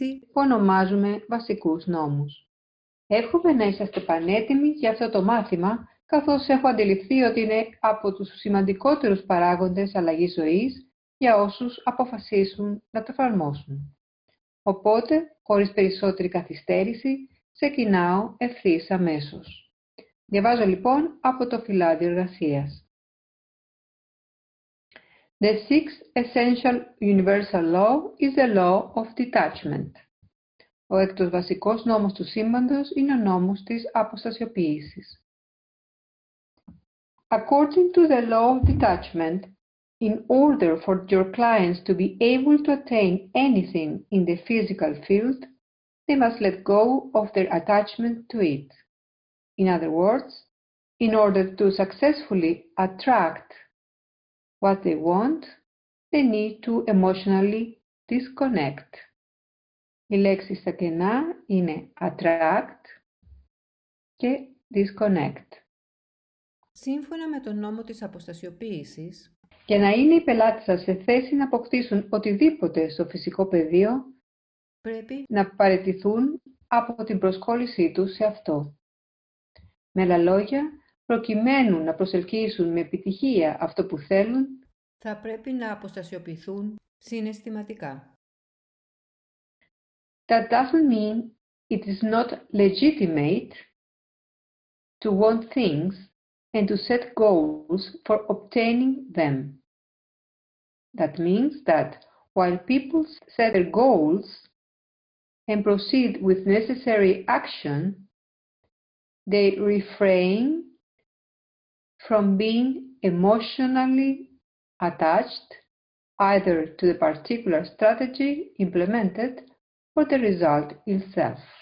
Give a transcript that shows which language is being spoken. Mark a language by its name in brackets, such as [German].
[Greek] που ονομάζουμε Βασικούς Νόμους. Εύχομαι να είσαστε πανέτοιμοι για αυτό το μάθημα, καθώς έχω αντιληφθεί ότι είναι από τους σημαντικότερους παράγοντες αλλαγής ζωής για όσους αποφασίσουν να το εφαρμόσουν. Οπότε, χωρίς περισσότερη καθυστέρηση, ξεκινάω ευθύς αμέσως. Διαβάζω λοιπόν από το φυλάδιο εργασίας. [English] The sixth essential universal law is the law of detachment. [Greek] Ο έκτος βασικός νόμος του σύμπαντος είναι ο νόμος της αποστασιοποίησης. [English] According to the law of detachment, in order for your clients to be able to attain anything in the physical field, they must let go of their attachment to it. In other words, in order to successfully attract what they want, they need to emotionally disconnect. [Greek] Οι λέξεις στα κενά είναι attract και disconnect. Σύμφωνα με τον νόμο της αποστασιοποίησης, για να είναι οι πελάτες σας σε θέση να αποκτήσουν οτιδήποτε στο φυσικό πεδίο, πρέπει να παραιτηθούν από την προσκόλλησή τους σε αυτό. Με άλλα λόγια, προκειμένου να προσελκύσουν με επιτυχία αυτό που θέλουν, θα πρέπει να αποστασιοποιηθούν συναισθηματικά. [English] That doesn't mean it is not legitimate to want things and to set goals for obtaining them. That means that while people set their goals and proceed with necessary action, they refrain from being emotionally attached either to the particular strategy implemented or the result itself.